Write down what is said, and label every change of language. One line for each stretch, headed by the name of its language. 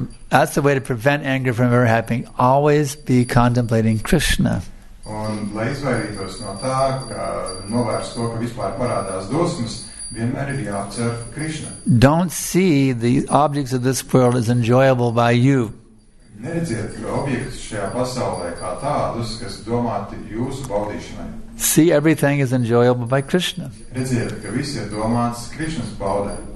English: That's the way to prevent anger from ever happening. Always be contemplating Krishna.
Latvian: Un lai izvairītos no tā, ka novērst to, ka vispār parādās dusmas, vienmēr ir jāatcer Krišna.
English: Don't see the objects of this world as enjoyable by you.
Latvian: Neredziet objektus šajā pasaulē kā tādus, kas domāti jūsu baudīšanai.
English: See everything is enjoyable by Krishna.
Latvian: Redziet, ka viss ir domāts Krišnas baudē.